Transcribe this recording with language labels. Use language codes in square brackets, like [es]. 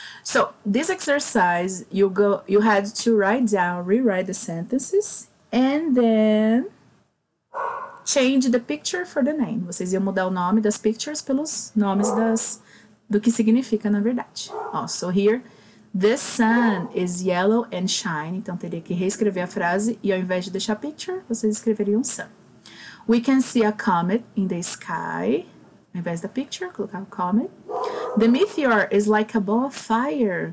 [en] So, this exercise, you had to write down, rewrite the sentences, and then change the picture for the name. [pt] Vocês iam mudar o nome das pictures pelos nomes das, do que significa na verdade. [en] Also here, the sun is yellow and shiny. [pt] Então, teria que reescrever a frase, e ao invés de deixar picture, vocês escreveriam sun. [en] We can see a comet in the sky. [pt] Ao invés da picture, colocar o comet. [en] The meteor is like a ball of fire.